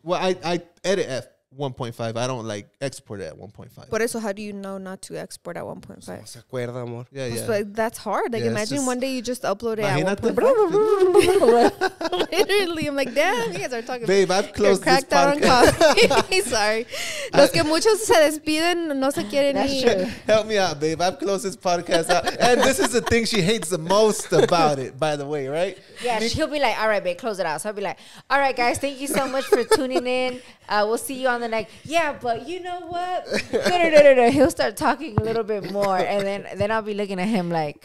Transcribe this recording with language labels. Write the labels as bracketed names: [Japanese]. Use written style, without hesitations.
[English] Well, I edit at 1.5. I don't like export it at 1.5. But so how do you know not to export at 1.5? [Spanish] Se acuerda, amor. [English] Yeah, yeah. Like, that's hard. Like, yeah, imagine one day you just upload it at 1.5. Literally, I'm like, damn, you guys are talking. Babe, I've closed this podcast. You're cracked out on coffee. Sorry. [Spanish] Los que muchos se despiden no se quieren ir. [English] Help me out, babe. I've closed this podcast out. And this is the thing she hates the most about it, by the way, right? Yeah, she'll be like, all right, babe, close it out. So I'll be like, all right, guys, thank you so much for tuning in. We'll see you on the next. Yeah, but you know what? No. He'll start talking a little bit more, and then I'll be looking at him like.